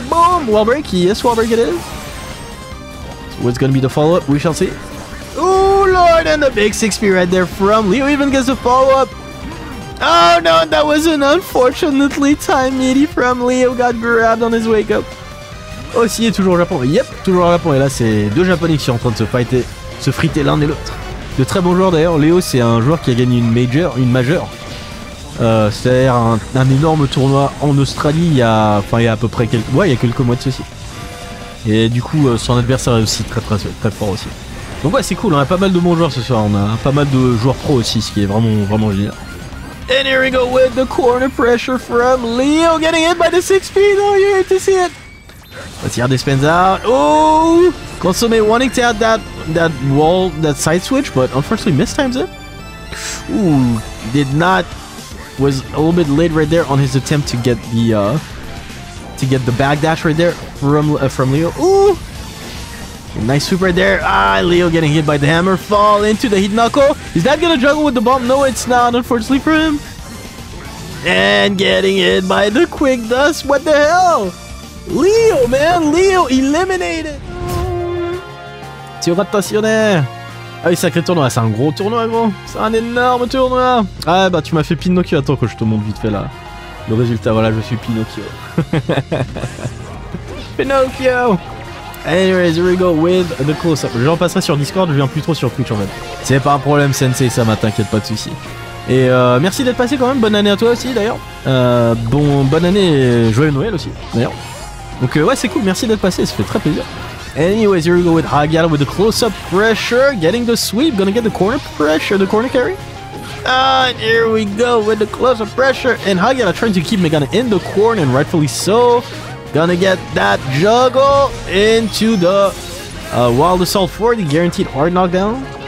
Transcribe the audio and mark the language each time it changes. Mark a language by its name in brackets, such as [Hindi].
[English] Boom! Wall break. Yes, wall break it is. What's going to be the follow-up? We shall see. Ooh, Lord! And the big 6P right there from Leo even gets a follow-up. Oh, no! That was an unfortunately timed meaty from Leo. Got grabbed on his wake-up. [French] Aussi, est toujours au Japon. Yep, toujours au Japon. Et là, c'est deux Japonais qui sont en train de se fighter, se friter l'un et l'autre. De très bons joueurs, d'ailleurs. Leo, c'est un joueur qui a gagné une majeure. C'est-à-dire un énorme tournoi en Australie il y a à peu près quelques mois de ceci. Et du coup son adversaire est aussi très fort aussi. Donc ouais, c'est cool, on a pas mal de bons joueurs ce soir, on a pas mal de joueurs pro aussi, ce qui est vraiment vraiment génial. [English] And here we go with the corner pressure from Leo getting hit by the 6P, though, you hate to see it. Let's see how this pans out. Oh! Consomme wanting to add that wall, that side switch, but unfortunately mistimes it. Ooh, did not. Was a little bit late right there on his attempt to get the back dash right there from Leo. Ooh! Nice sweep right there. Ah, Leo getting hit by the hammer. Fall into the heat knuckle. Is that gonna juggle with the bomb? No, it's not, unfortunately for him. And getting hit by the quick dust. What the hell? Leo, man! Leo eliminated! Tiratationne! [French] Ah oui, sacré tournoi, c'est un gros tournoi, gros. C'est un énorme tournoi. Ah bah, tu m'as fait Pinocchio. Attends que je te montre vite fait, là. Le résultat, voilà, je suis Pinocchio. Pinocchio! [English] Anyways, here we go with the close-up. [French] J'en passerai sur Discord, je viens plus trop sur Twitch, en fait. C'est pas un problème, Sensei, ça m'a, t'inquiète pas de soucis. Et merci d'être passé, quand même. Bonne année à toi aussi, d'ailleurs. Bonne année et joyeux Noël aussi, d'ailleurs. Donc ouais, c'est cool, merci d'être passé, ça fait très plaisir. [English] Anyways, here we go with Hagyaara with the close-up pressure, getting the sweep, gonna get the corner pressure, the corner carry. Ah, here we go with the close-up pressure, and Hagyaara trying to keep Megane in the corner, and rightfully so. Gonna get that juggle into the wild assault for the guaranteed hard knockdown.